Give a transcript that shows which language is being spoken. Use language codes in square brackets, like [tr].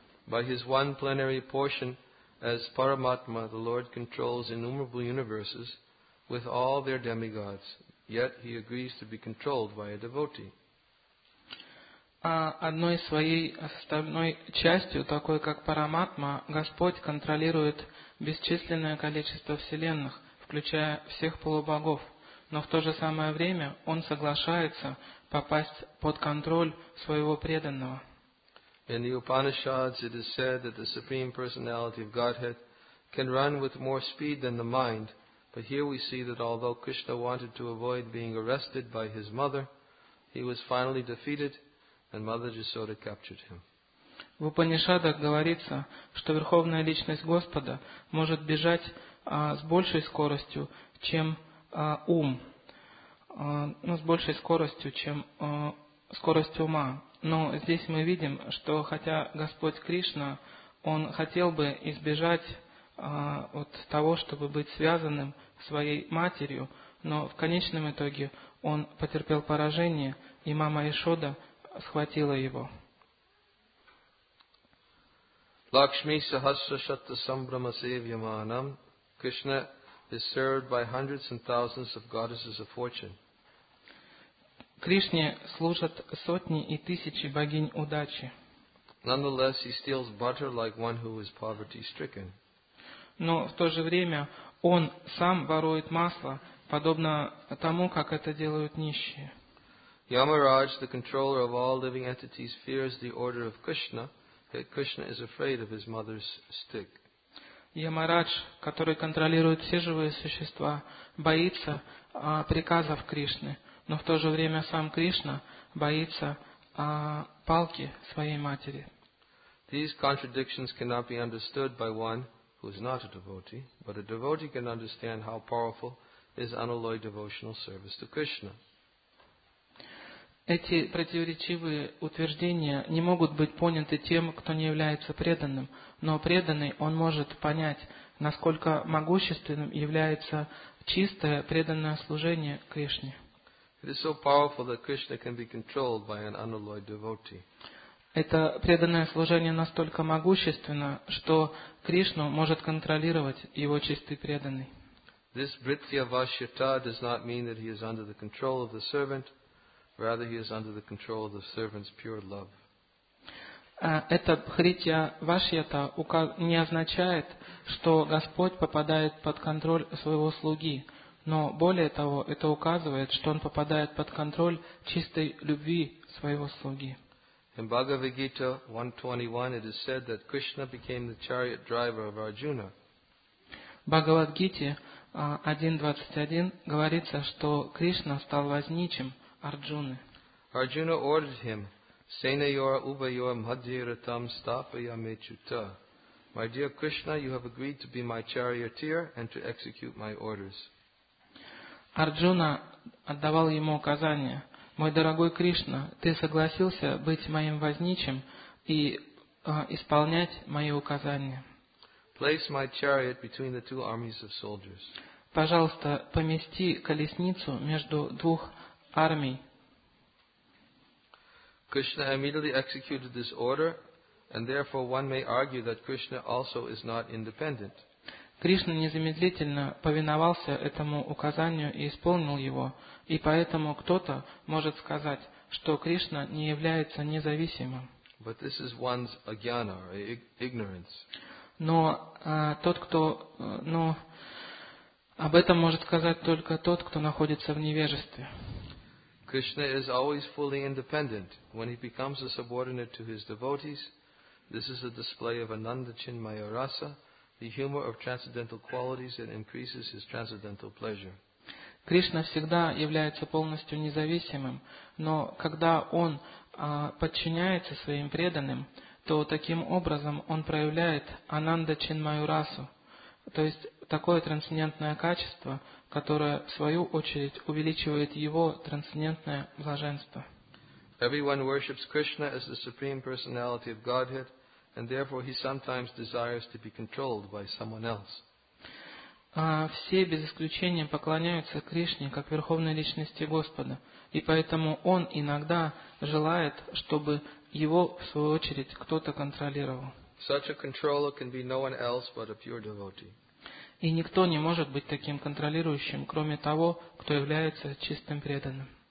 [en] By his one plenary portion as Paramatma, the Lord controls innumerable universes with all their demigods, yet he agrees to be controlled by a devotee. [ru] Одной своей составной частью, такой как Параматма, Господь контролирует бесчисленное количество вселенных, включая всех полубогов. Но в то же самое время Он соглашается попасть под контроль своего преданного. [en] In the Upanishads it is said that the Supreme Personality of Godhead can run with more speed than the mind. But here we see that although Krishna wanted to avoid being arrested by his mother, he was finally defeated. And Mother Jasoda captured him. [ru] В Упанишадах говорится, что Верховная Личность Господа может бежать с большей скоростью, чем ум, с большей скоростью, чем скорость ума. Но здесь мы видим, что хотя Господь Кришна, Он хотел бы избежать от того, чтобы быть связанным своей матерью, но в конечном итоге Он потерпел поражение, и мама Ишода схватила его. [sa] Лакшми сахасра шатта самбрама севьяманам. [en] Кришна is served by hundreds and thousands of goddesses of fortune. [ru] Кришне служат сотни и тысячи богинь удачи. [en] Nonetheless, he steals butter like one who is poverty stricken. [ru] Но в то же время он сам ворует масло, подобно тому, как это делают нищие. [en] Yamaraj, the controller of all living entities, fears the order of Krishna, yet Krishna is afraid of his mother's stick. [ru] Yamaraj, который контролирует все живые существа, боится приказов Кришны, но в то же время сам Кришна боится палки своей матери. [en] These contradictions cannot be understood by one who is not a devotee, but a devotee can understand how powerful is unalloyed devotional service to Krishna. [ru] Эти противоречивые утверждения не могут быть поняты тем, кто не является преданным, но преданный, он может понять, насколько могущественным является чистое преданное служение Кришне. [en] It is so powerful that Krishna can be controlled by an unalloyed devotee. [ru] Это преданное служение настолько могущественно, что Кришну может контролировать его чистый преданный. [en] This vritya vashyata does not mean that he is under the control of the servant. Rather, he is under the control of the servant's pure love. [ru] Эта хритья вашьята не означает, что Господь попадает под контроль своего слуги, но более того, это указывает, что он попадает под контроль чистой любви своего слуги. [en] In Bhagavad Gita 1:21, it is said that Krishna became the chariot driver of Arjuna. [ru] Бхагавад Гите 1:21 говорится, что Кришна стал возничим Арджуны. [en] Arjuna ordered him, [sa] Senayora Ubayora Madhiratam Stapaya Mechuta. [en] My dear Krishna, you have agreed to be my charioteer and to execute my orders. [ru] Арджуна отдавал ему указания. Мой дорогой Кришна, ты согласился быть моим возничим и исполнять мои указания. [en] Place my chariot between the two armies of soldiers. [ru] Пожалуйста, помести колесницу между двух армий. [en] Krishna immediately executed this order, and therefore one may argue that Krishna also is not independent. [ru] Кришна незамедлительно повиновался этому указанию и исполнил его, и поэтому кто-то может сказать, что Кришна не является независимым. [en] But this is one's agyana, ignorance. [ru] Но об этом может сказать только тот, кто находится в невежестве. [en] Krishna is always fully independent. When he becomes a subordinate to his devotees, this is a display of Ananda Chinmaya Rasa, the humor of transcendental qualities that increases his transcendental pleasure. [ru] Кришна всегда является полностью независимым, но когда он подчиняется своим преданным, то таким образом он проявляет Ананда Чинмаю Расу, то есть такое трансцендентное качество, которое, в свою очередь, увеличивает его трансцендентное блаженство. [en] Everyone worships Krishna as the Supreme Personality of Godhead, and therefore he sometimes desires to be controlled by someone else. [ru] Все без исключения поклоняются Кришне как Верховной Личности Господа, и поэтому он иногда желает, чтобы его, в свою очередь, кто-то контролировал. [en] Such a controller can be no one else but a pure devotee. [ru] И никто не может быть таким контролирующим, кроме того, кто является чистым преданным.